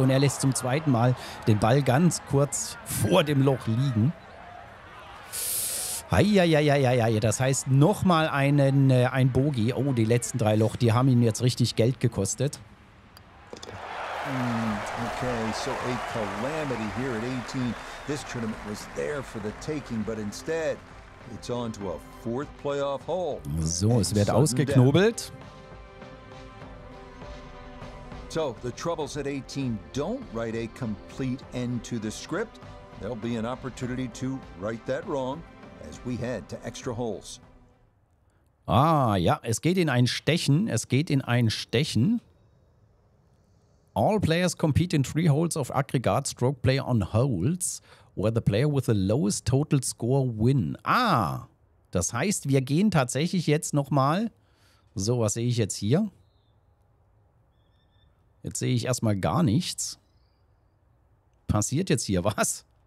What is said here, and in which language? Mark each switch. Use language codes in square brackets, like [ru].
[de] Und er lässt zum zweiten Mal den Ball ganz kurz vor dem Loch liegen. Eieieiei, das heißt nochmal ein Bogey. Oh, die letzten drei Loch, die haben ihn jetzt richtig Geld gekostet. [en] Okay, so a calamity here at 18. This tournament was there for the taking, but instead, it's on to a fourth playoff hole. [de] So, es wird ausgeknobelt. [en] So, the troubles at 18 don't write a complete end to the script. There'll be an opportunity to right that wrong as we head to extra holes. [de] Ah, ja, es geht in ein Stechen. Es geht in ein Stechen. [en] All players compete in three holes of aggregate stroke play on holes, where the player with the lowest total score win. [de] Ah, das heißt, wir gehen tatsächlich jetzt nochmal. So, was sehe ich jetzt hier? Jetzt sehe ich erstmal gar nichts. Passiert jetzt hier was?